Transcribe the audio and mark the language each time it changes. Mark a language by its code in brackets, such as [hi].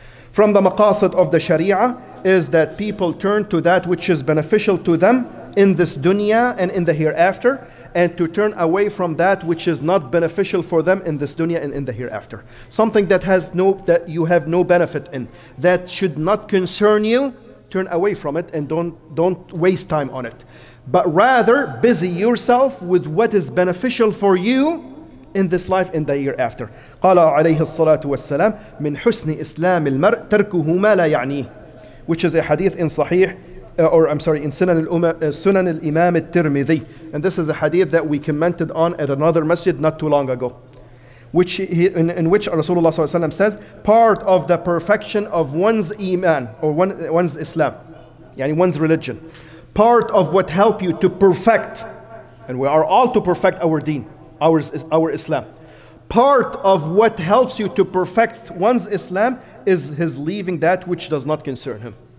[en] From the maqasid of the Sharia is that people turn to that which is beneficial to them in this dunya and in the hereafter, and to turn away from that which is not beneficial for them in this dunya and in the hereafter. Something that you have no benefit in, that should not concern you, turn away from it and don't waste time on it. But rather, busy yourself with what is beneficial for you in this life and the year after. [ar] قال عليه الصلاة والسلام من حسن إسلام المرء تركه ما لا يعنيه. [en] Which is a hadith in Sahih, in Sunan al-Imam al-Tirmidhi. And this is a hadith that we commented on at another masjid not too long ago. In which Rasulullah SAW says, part of the perfection of one's iman, or one's Islam, yani one's religion, part of what help you to perfect, and we are all to perfect our deen, our Islam, part of what helps you to perfect one's Islam is his leaving that which does not concern him.